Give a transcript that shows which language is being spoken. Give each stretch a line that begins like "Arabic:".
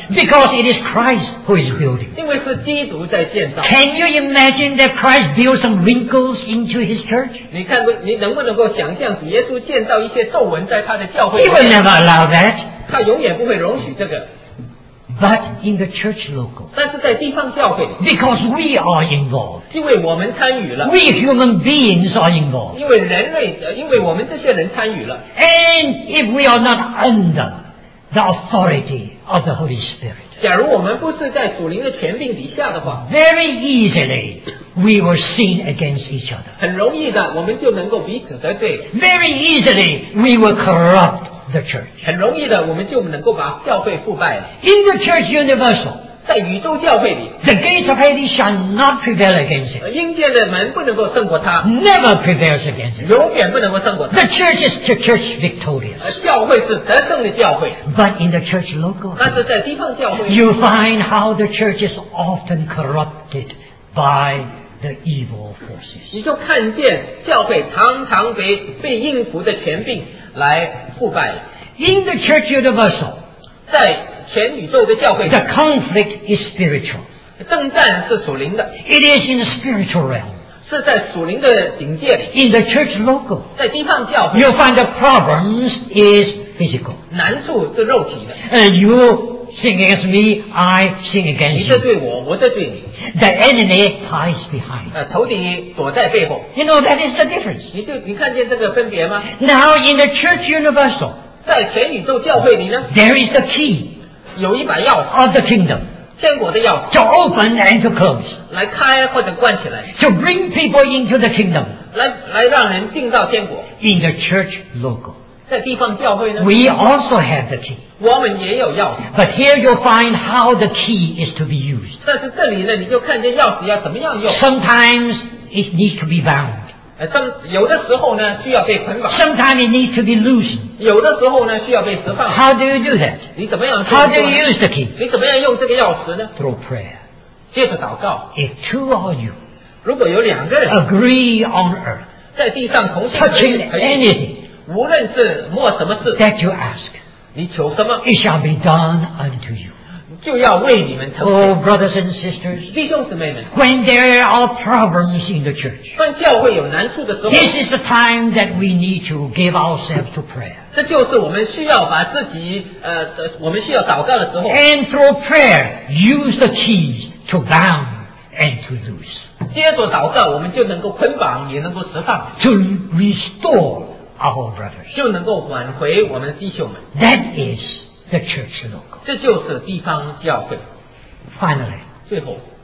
English: Because it is Christ who is building.
Chinese: 因为是基督在建造。
English: Can you imagine that Christ built some wrinkles into his church?
Chinese: 你能不能够想象主耶稣建造一些皱纹在他的教会？
English: He will never allow that.
Chinese: 他永远不会容许这个。
English: But in the church local,
Chinese: 但是在地方教会
English: because we are involved,
Chinese: 因为我们参与了
English: we human beings are involved,
Chinese: 因为我们这些人参与了
English: and if we are not under the authority of the Holy Spirit,
Chinese: 假如我们不是在属灵的权柄底下的话
English: very easily we will sin against each other,
Chinese: 很容易的我们就能够彼此得罪
English: very easily we will corruptThe church.
Chinese: 很容易的我们就能够把教会腐败了。
English: In the church universal,
Chinese: 在宇宙教会里
English: the gates of Hades shall not prevail against it.
Chinese: 阴间的门不能够胜过它
English: never prevails against it.
Chinese: 永远不能够胜过它
English: the church is the church victorious.
Chinese: 教会是得胜的教会
English: but in the church local,
Chinese: 但是在地方教会
English: you find how the church is often corrupted by the evil forces.
Chinese: 你就看见教会常常被阴符的权柄来腐败
English: In the church universal,
Chinese: 在全宇宙的教会
English: the conflict is spiritual.
Chinese: 征战是属灵的
English: It is in the spiritual realm.
Chinese: 是在属灵的境界里
English: In the church local,
Chinese: 在地方教会
English: you find the problems is physical.
Chinese: 难处是肉体的
English: And you sin against me, I sin against you.
Chinese: 你这对我，我这对你
English: The enemy hides behind.
Chinese: 仇敌躲在背后
English: You know, that is the difference.
Chinese: 你看见这个分别吗
English: Now, in the church universal,
Chinese: 在全宇宙教会里呢
English: There is the key
Chinese: 有一把钥匙
English: of the kingdom.
Chinese: 天国的钥匙
English: To open and to close.
Chinese: 来开或者关起来
English: To bring people into the kingdom.
Chinese: 来让人进到天国
English: In the church local.
Chinese: 在地方教会呢
English: We also have the key.
Chinese: 我们也有钥匙。
English: But here you'll find how the key is to be used.
Chinese: 但是这里呢，你就看见钥匙要怎么样用。
English: Sometimes it needs to be bound.
Chinese: 有的时候呢，需要被捆绑。
English: Sometimes it needs to be loosened.
Chinese: 有的时候呢，需要被释放。
English: How do you do that?
Chinese: 你怎么样
English: How do you use the key?
Chinese: 你怎么样用这个钥匙呢
English: Through prayer.
Chinese: 借着祷告。
English: If two of you
Chinese: 如果有两个人
English: agree on earth,
Chinese: 在地上同心
English: touching anything.
Chinese: 无论是莫什么事
English: that you ask,
Chinese: 你求什么
English: it shall be done unto you.
Chinese: 就要为你们成
English: 就 Oh, brothers and sisters,
Chinese: 弟兄姊妹们
English: when there are problems in the church,
Chinese: 当教会有难处的时候
English: this is the time that we need to give ourselves to prayer.
Chinese: 这就是我们需要把自己我们需要祷告的时候
English: and through prayer, use the keys to bound and to loose.
Chinese: 接着祷告我们就能够捆绑也能够释放
English: to restore Our brothers.
Chinese: 就能够挽回我们的弟兄们。
English: That is the church local.
Chinese: 这就是地方教会。
English: Finally,
Chinese: 最后